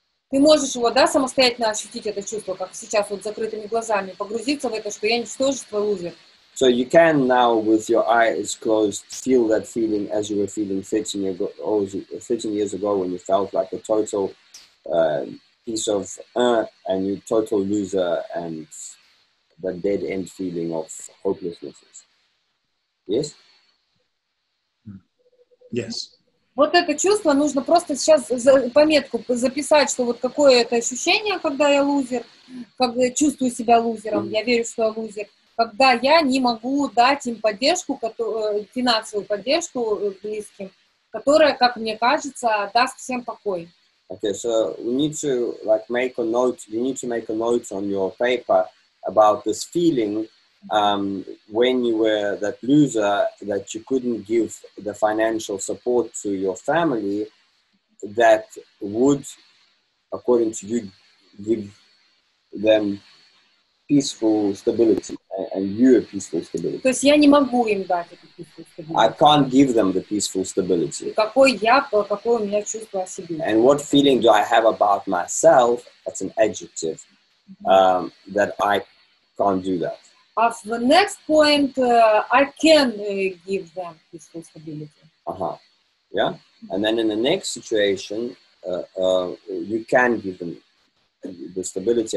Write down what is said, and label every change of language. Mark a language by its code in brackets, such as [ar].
[ru] Ты можешь его, да, самостоятельно ощутить это чувство, как сейчас вот с закрытыми глазами, погрузиться в это, что я ничтожество, лузер. [en] So you can now, with your eyes closed, feel that feeling as you were feeling 13 years ago, when you felt like a total piece of and you total loser, and the dead end feeling of hopelessness. Yes. Yes. [ru] Вот это чувство нужно просто сейчас за пометку записать, что вот какое это ощущение, когда я лузер, когда я чувствую себя лузером, я верю, что я лузер, когда я не могу дать им поддержку, финансовую поддержку близким, которая, как мне кажется, даст всем покой. [en] Okay, so we need to make a note, you need to make a note on your paper about this feeling. When you were that loser, that you couldn't give the financial support to your family, that would, according to you, give them peaceful stability, and you a peaceful stability. [ru] То есть я не могу им дать эту [en] peaceful stability. I can't give them the peaceful stability. [ru] Какой я, какое у меня чувство о себе? [en] And what feeling do I have about myself? That's an adjective. That I can't do that. Of the next point, I can give them peaceful stability. Uh-huh. Yeah. And then in the next situation, you can give them the stability.